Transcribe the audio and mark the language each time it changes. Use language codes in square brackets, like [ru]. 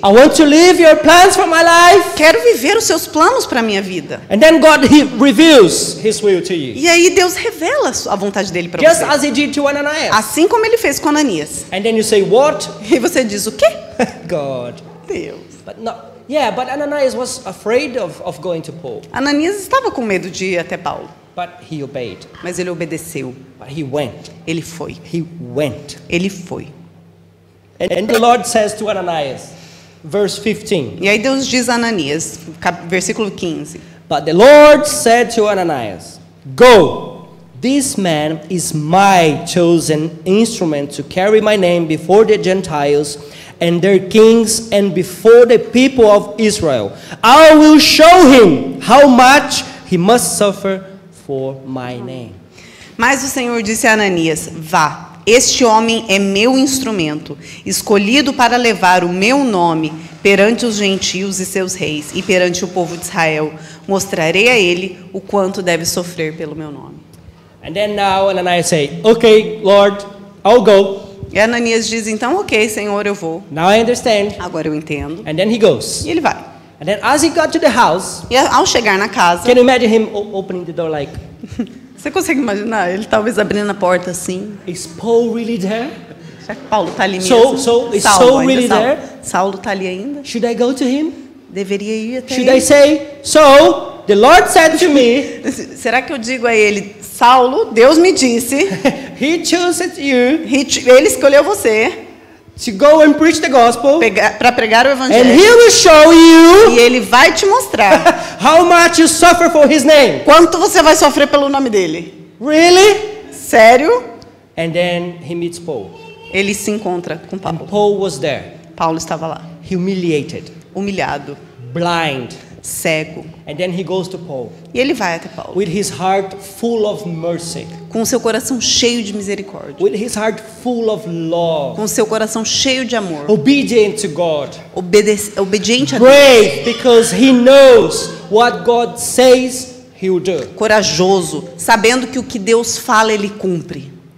[en] I want to live your plans for my life. [pt] Quero viver os seus planos para minha vida. [en] And then God reveals his will to you. [pt] E aí Deus revela a vontade dele para [en] Just [pt] você. [en] As he did to Ananias. [pt] Assim como ele fez com Ananias. [en] And then you say, what? [pt] E você diz o quê? [en] God. [pt] Deus. [en] But no. Yeah, but Ananias was afraid of going to Paul. [pt] Ananias estava com medo de ir até Paulo. [en] But he obeyed. [pt] Mas ele obedeceu. [en] But he went. [pt] Ele foi. [en] He went. [pt] Ele foi. [en] And the Lord says to Ananias, verse 15. [pt] E aí Deus diz a Ananias, versículo 15. [en] But the Lord said to Ananias, go. This man is my chosen instrument to carry my name before the Gentiles and their kings and before the people of Israel. I will show him how much he must suffer for my name. [pt] Mas o Senhor disse a Ananias: vá, este homem é meu instrumento, escolhido para levar o meu nome perante os gentios e seus reis e perante o povo de Israel. Mostrarei a ele o quanto deve sofrer pelo meu nome. [en] And then now Ananias say, okay, Lord, I'll go. [pt] E Ananias diz: então, ok, Senhor, eu vou. [en] Now I understand. [pt] Agora eu entendo. [en] And then he goes. [pt] E ele vai. [en] And then as he got to the house. [pt] E ao chegar na casa. [en] Can you imagine him opening the door like? [pt] Você consegue imaginar? Ele talvez abrindo a porta assim. [en] Is Paul really there? [pt] Será que Paulo está ali mesmo? [en] So is Saul really there? [pt] Saulo está ali ainda? [en] Should I go to him? [pt] Deveria ir até [en] Should [pt] ele? [en] I say, so the Lord said to me. [pt] Será que eu digo a ele, Saulo, Deus me disse. [en] He chose you. [pt] Ele escolheu você. [en] To go and preach the gospel. [pt] Para pregar o evangelho. [en] And he will show you. [pt] E ele vai te mostrar. [en] How much you suffer for his name. [pt] Quanto você vai sofrer pelo nome dele. [en] Really? [pt] Sério? [en] And then he meets Paul. [pt] Ele se encontra com Paulo. [en] And Paul was there. [pt] Paulo estava lá. [en] Humiliated. [pt] Humilhado. [en] Blind. [pt] Cego. [en] And then he goes to Paul. [pt] E ele vai até Paulo. [en] With his heart full of mercy. [pt] Com seu coração cheio de misericórdia. [en] With his heart full of love. [pt] Com seu coração cheio de amor. [en] Obedient to God. [pt] Obediente a [en] Brave, [pt] Deus. [en] Because he knows what God says he will do. [pt] Corajoso, sabendo que o que Deus fala ele cumpre.